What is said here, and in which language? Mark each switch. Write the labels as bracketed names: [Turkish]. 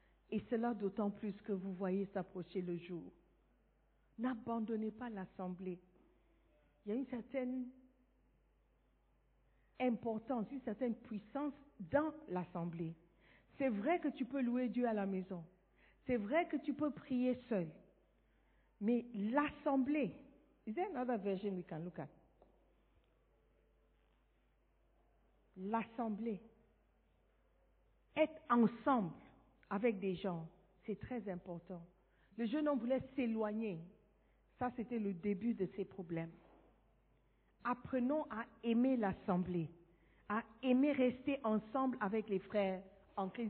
[French] Et cela d'autant plus que vous voyez s'approcher le jour. N'abandonnez pas l'assemblée. Il y a une certaine importance, une certaine puissance dans l'assemblée. C'est vrai que tu peux louer Dieu à la maison. C'est vrai que tu peux prier seul. Mais l'assemblée, [English] is there another version we can look at? [French] L'assemblée, être ensemble avec des gens, c'est très important. Le jeune homme voulait s'éloigner. Ça, c'était le début de ses problèmes. Apprenons à aimer l'assemblée, à aimer rester ensemble avec les frères en Christ.